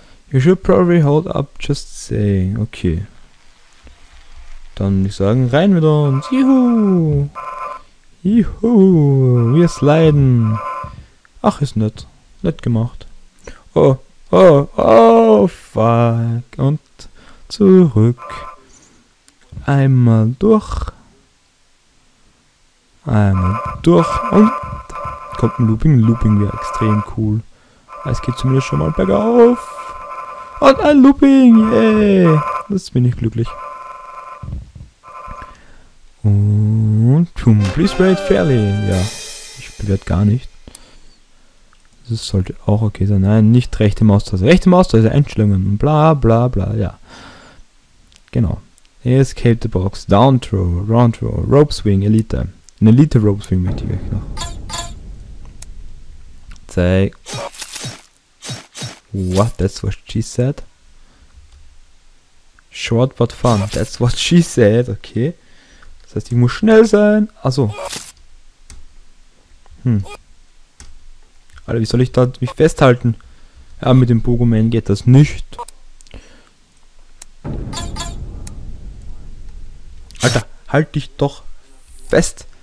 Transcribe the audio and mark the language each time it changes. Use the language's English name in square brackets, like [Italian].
[English] You should probably hold up, just say. Okay. [German] Dann würde ich sagen, rein mit uns. Juhu! Juhu! Wir sliden. Ach, ist nett. Nett gemacht. Oh, oh, oh fuck. Und zurück. Einmal durch und kommt ein Looping. Looping wäre extrem cool. Es geht zumindest schon mal bergauf. Und ein Looping, yay! Das bin ich glücklich. [English] Und boom, please rate fairly. [German] Ja, ich bewerte gar nicht. Das sollte auch okay sein. Nein, nicht rechte Maustaste. Rechte Maustaste einschlingen. Bla bla bla, ja. Genau. [English] Escape the box, down throw, round throw, rope swing, Elite. [German] Ein Elite rope swing möchte ich euch noch. Zeig. [English] What, that's what she said? Short but fun, that's what she said, okay. [German] Das heißt, ich muss schnell sein. Achso. Alter, wie soll ich da mich festhalten? Ja, mit dem Pogoman geht das nicht. Alter, halt dich doch fest!